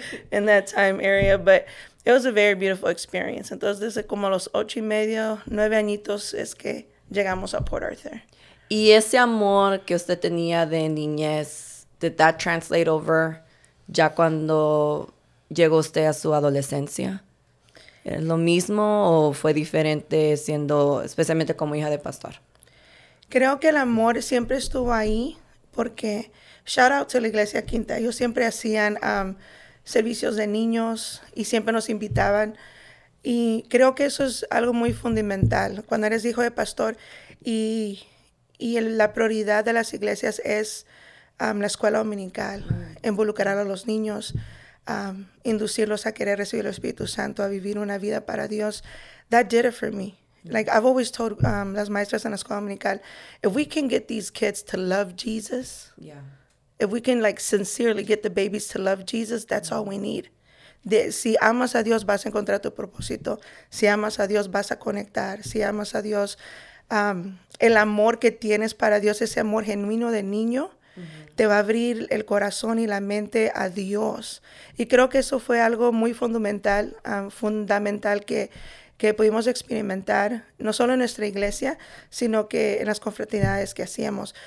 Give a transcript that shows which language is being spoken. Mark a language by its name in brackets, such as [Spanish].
[English] in that time area, but it was a very beautiful experience. [Spanish] Entonces, desde como los 8 y medio, 9 añitos es que llegamos a Port Arthur. Y ese amor que usted tenía de niñez, [English] did that translate over [Spanish] ya cuando llegó usted a su adolescencia? ¿Es lo mismo o fue diferente siendo, especialmente como hija de pastor? Creo que el amor siempre estuvo ahí porque, [English] shout out to [Spanish] la iglesia Quinta, ellos siempre hacían servicios de niños y siempre nos invitaban. Y creo que eso es algo muy fundamental. Cuando eres hijo de pastor y la prioridad de las iglesias es la escuela dominical, involucrar a los niños, inducirlos a querer recibir el Espíritu Santo, a vivir una vida para Dios. [English] That did it for me. Like, I've always told [Spanish] las maestras en la escuela dominical, [English] if we can get these kids to love Jesus, yeah, if we can, like, sincerely get the babies to love Jesus, that's all we need. [Spanish] Si amas a Dios, vas a encontrar tu propósito. Si amas a Dios, vas a conectar. Si amas a Dios, el amor que tienes para Dios, ese amor genuino de niño, te va a abrir el corazón y la mente a Dios. Y creo que eso fue algo muy fundamental, fundamental que pudimos experimentar, no solo en nuestra iglesia, sino que en las confraternidades que hacíamos.